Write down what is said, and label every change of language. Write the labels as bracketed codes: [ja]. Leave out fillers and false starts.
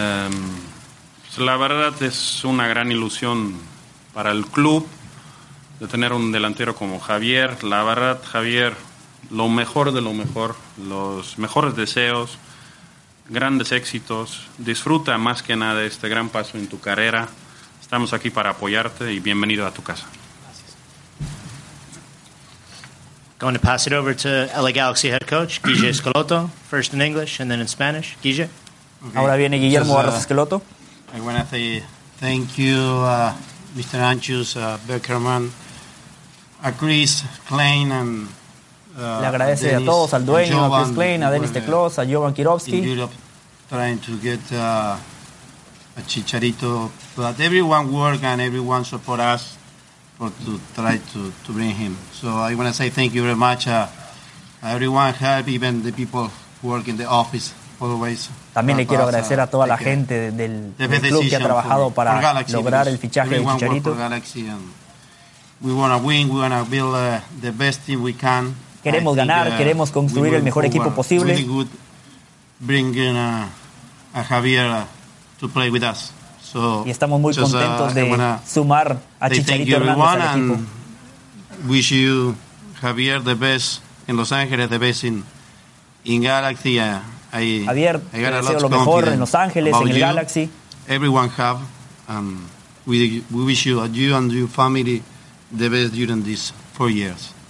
[es] Pues la verdad es una gran ilusión para el club de tener un delantero como Javier. La verdad, Javier, lo mejor de lo mejor, los mejores deseos, grandes éxitos. Disfruta más que nada este gran paso en tu carrera. Estamos aquí para apoyarte y bienvenido a tu casa. Gracias. [en] Going to pass it over to LA Galaxy head coach Guille Scalotto, first in English and then in Spanish. Guille. [es] Okay. Ahora viene Guillermo Barros Esqueloto. [en] I want to say thank you, Mr. Anchus, Beckerman, Chris Klein, and [es] le agradece Dennis, a todos, al dueño, Jovan, a Chris Klein, a Dennis Teclos, a Jovan Kirovsky. [en] Trying to get a Chicharito, but everyone work and everyone support us for to try to bring him. So I want to say thank you very much. Everyone help, even the people who work in the office always. [es] También le quiero agradecer a toda la gente del club que ha trabajado para lograr el fichaje de Chicharito. [en] We want to win, we want to build the best team we can. [es] Queremos ganar, queremos construir el mejor equipo posible. [en] Bringing a Javier to play with us. So, [es] y estamos muy contentos de sumar a Chicharito Hernández al equipo. [en] Wish you, Javier, the best in Los Ángeles, the best in Galaxy. [es] Javier, te deseo lo mejor en Los Ángeles, en el Galaxy. [en] Everyone have, we wish you and your family the best during these 4 years.